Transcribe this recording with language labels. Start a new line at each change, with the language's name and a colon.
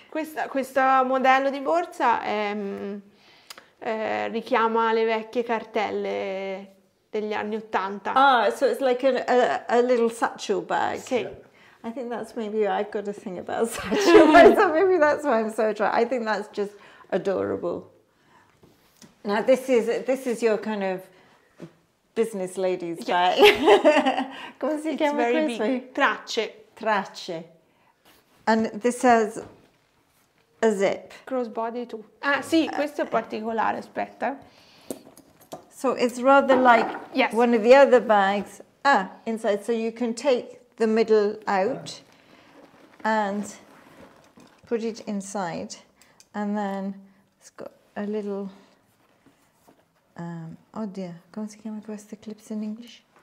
Italian: Questo modello di borsa richiama le vecchie cartelle degli anni '80.
English: Ah, so it's like a little satchel bag. Okay. Yeah. I think that's maybe I've got a thing about satchel. So maybe that's why I'm so attracted. I think that's just adorable. Now this is your kind of business lady's bag.
Italian: Come si chiama questo?
English: It's very big. Tracce. Tracce. And this has a zip. Crossbody too.
Italian: Ah, sì, questo è particolare, aspetta.
English: So it's rather like yes. One of the other bags. Ah, inside. So you can take the middle out and put it inside. And then it's got a little... oh dear,
Italian: come si chiama questo
English: clips in English?